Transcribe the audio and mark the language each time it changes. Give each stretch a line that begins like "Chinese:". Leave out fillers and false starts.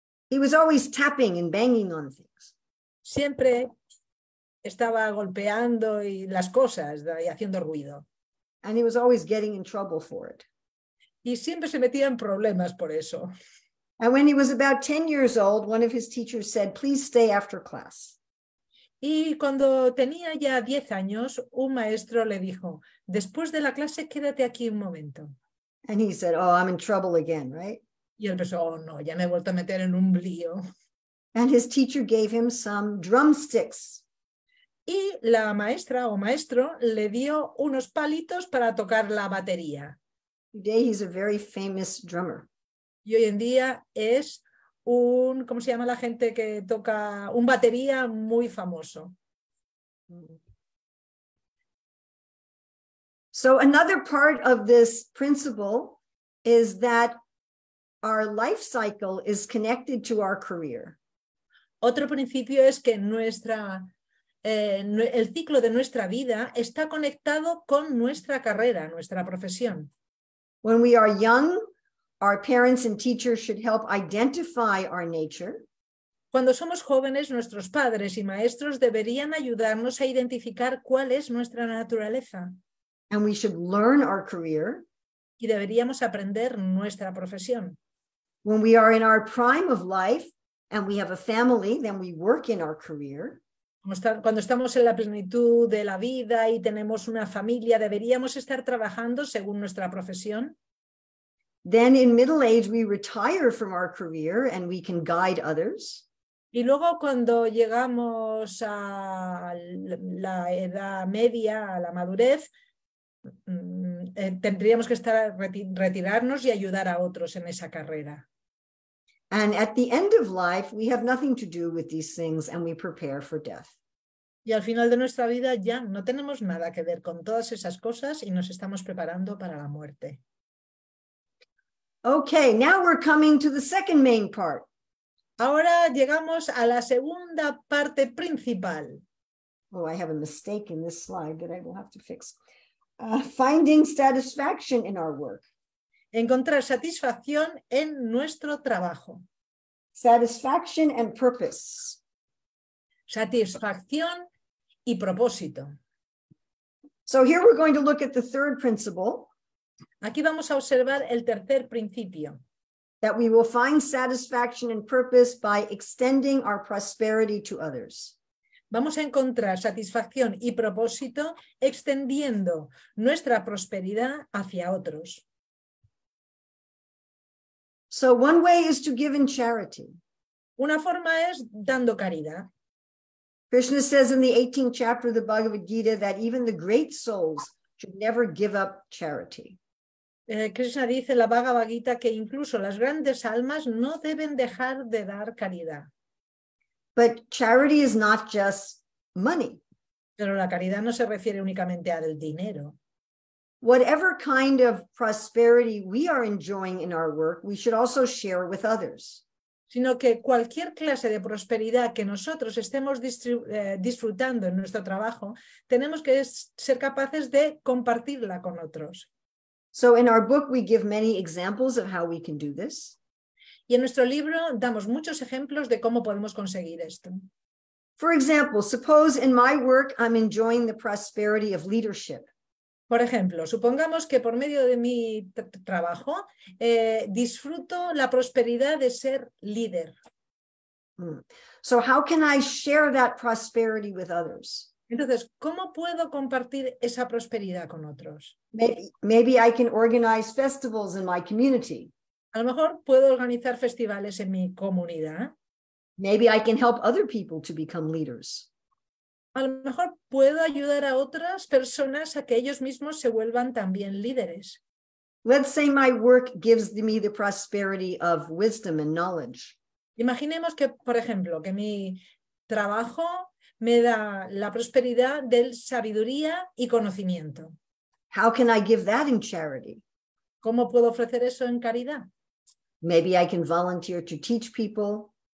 English: He was always tapping and banging on things.
Spanish: Siempre estaba golpeando y las cosas y haciendo ruido.
English: And he was always getting in trouble for it.
Spanish: Y siempre se metía en problemas por eso.
English: And when he was about 10 years old, one of his teachers said, "Please stay after class."
Spanish: Y cuando tenía ya 10 años, un maestro le dijo, "Después de la clase, quédate aquí un momento."
English: And he said, "Oh, I'm in trouble again, right?"
Spanish: Y él pensó, "Oh, no, ya me he vuelto a meter en un lío."
English: And his teacher gave him some drumsticks.
Spanish: Y la maestra o maestro le dio unos palitos para tocar la batería.
English: Today he's a very famous drummer.
Spanish: Y hoy en día es un, ¿cómo se llama la gente que toca? Un batería muy famoso.
English: So another part of this principle is that our life cycle is connected to our career.
Spanish: Otro principio es que el ciclo de nuestra vida está conectado con nuestra carrera, nuestra profesión.
English: When we are young, our parents and teachers should help identify our nature.
Spanish: Cuando somos jóvenes, nuestros padres y maestros deberían ayudarnos a identificar cuál es nuestra naturaleza.
English: And we should learn our career.
Spanish: Y deberíamos aprender nuestra profesión.
English: When we are in our prime of life and we have a family, then we work in our career.
Spanish: Cuando estamos en la plenitud de la vida y tenemos una familia, deberíamos estar trabajando según nuestra profesión.
English: Then in middle age we retire from our career and we can guide others.
Spanish: Y luego cuando llegamos a la edad media, a la madurez, tendríamos que estar retirarnos y ayudar a otros en esa carrera.
English: And at the end of life we have nothing to do with these things and we prepare for death.
Spanish: Y al final de nuestra vida ya no tenemos nada que ver con todas esas cosas y nos estamos preparando para la muerte.
English: Okay, now we're coming to the second main part.
Spanish: Ahora llegamos a la segunda parte principal.
English: Oh, I have a mistake in this slide that I will have to fix. Finding satisfaction in our work.
Spanish: Encontrar satisfacción en nuestro trabajo.
English: Satisfaction and purpose.
Spanish: Satisfacción y propósito.
English: So here we're going to look at the third principle.
Spanish: Aquí vamos a observar el tercer principio.
English: That we will find satisfaction and purpose by extending our prosperity to others.
Spanish: Vamos a encontrar satisfacción y propósito extendiendo nuestra prosperidad hacia otros.
English: So one way is to give in charity.
Spanish: Una forma es dando caridad.
English: Krishna says in the 18th chapter of the Bhagavad Gita that even the great souls should never give up charity.
Spanish: Krishna dice en la Bhagavad Gita que incluso las grandes almas no deben dejar de dar caridad.
English: But charity is not just money.
Spanish: Pero la caridad no se refiere únicamente al dinero.
English: Whatever kind of prosperity we are enjoying in our work, we should also share with others.
Spanish: Sino que cualquier clase de prosperidad que nosotros estemos disfrutando en nuestro trabajo, tenemos que ser capaces de compartirla con otros.
English: So in our book we give many examples of how we can do this.
Spanish: Y en nuestro libro damos muchos ejemplos de cómo podemos conseguir esto.
English: For example, suppose in my work I'm enjoying the prosperity of leadership.
Spanish: Por ejemplo, supongamos que por medio de mi trabajo disfruto la prosperidad de ser líder.
English: So how can I share that prosperity with others?
Spanish: Entonces, ¿cómo puedo compartir esa prosperidad con otros?
English: Maybe I can organize festivals in my community.
Spanish: A lo mejor puedo organizar festivales en mi comunidad.
English: Maybe I can help other people to become leaders.
Spanish: A lo mejor puedo ayudar a otras personas a que ellos mismos se vuelvan también líderes.
English: Let's say my work gives me the prosperity of wisdom and knowledge.
Spanish: Imaginemos que, por ejemplo, que mi trabajo me da la prosperidad del sabiduría y conocimiento.
English: How can I give that in charity?
Spanish: ¿Cómo puedo ofrecer eso en caridad?
English: Maybe I can volunteer to teach people.